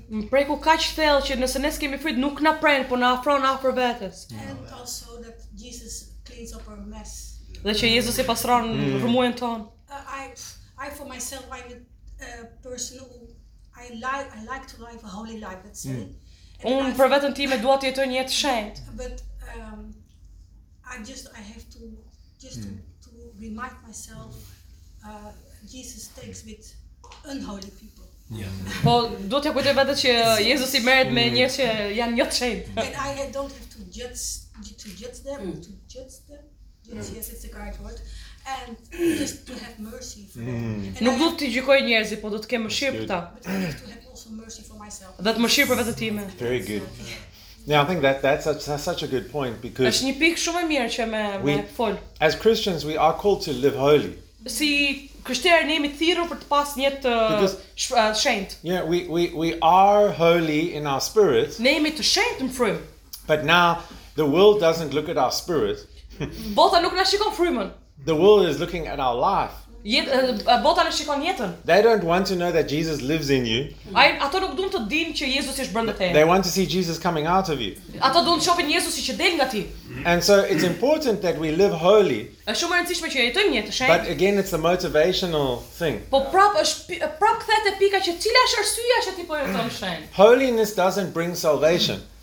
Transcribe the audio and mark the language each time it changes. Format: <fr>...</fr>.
<sq>Preku kaq thellë që nëse ne s'kemi frytë nuk na pren, por na afron afër vetes.</sq> <en>And also that Jesus cleans up our mess.</en> <sq>Dhe që Jezusi pastron rrëmujen tonë.</sq> <en>I for myself, I'm a person who I like to live a holy life, let's say.</en> <sq>Unë për veten time dua të jetoj një jetë shenjtë.</sq> <en>But I have to remind myself Jesus takes with unholy people. Yeah.</en> <sq>Po duhet të kujtoj vetë që Jezus I merret me njerëz që janë jo të shenjtë.</sq> <en>And I don't have to judge them. Yes, it's a great word. And just to have mercy for them.</en> <sq>Nuk duhet të gjykoj njerëzit, po do të kem mëshirë për ta.</sq> <en>But I have to have also mercy for myself.</en> <sq>Dhe të mëshirë për vetë time.</sq> <en>Very good. Yeah, I think that's such a good point because</en> <sq>është një pikë shumë e mirë që më fol.</sq> <en>As Christians, we are called to live holy.</en> <sq>Si Krishterë ne jemi thirrur për të pasur një jetë shenjtë.</sq> <en>Yeah, we are holy in our spirit.</en> <sq>Ne jemi të shenjtë në frymë.</sq> <en>But now the world doesn't look at our spirit.</en> <sq>Bota nuk na shikon frymën.</sq> <en>The world is looking at our life.</en> <sq>Bota na shikon jetën.</sq> <en>They don't want to know that Jesus lives in you.</en> <sq>Ato nuk duan të dinë që Jezusi është brenda teje.</sq> <en>They want to see Jesus coming out of you.</en> <sq>Ato duan të shohin Jezusin që del nga ti.</sq> <en>And so it's important that we live holy.</en> <sq>Është shumë e rëndësishme që jetojmë një jetë shenjtë.</sq> <en>But again it's a motivational thing.</en> <sq>Po prap kthehet te pika që cila është arsyeja që ti po jeton shenjtë.</sq> <en>Holiness doesn't bring salvation.</en>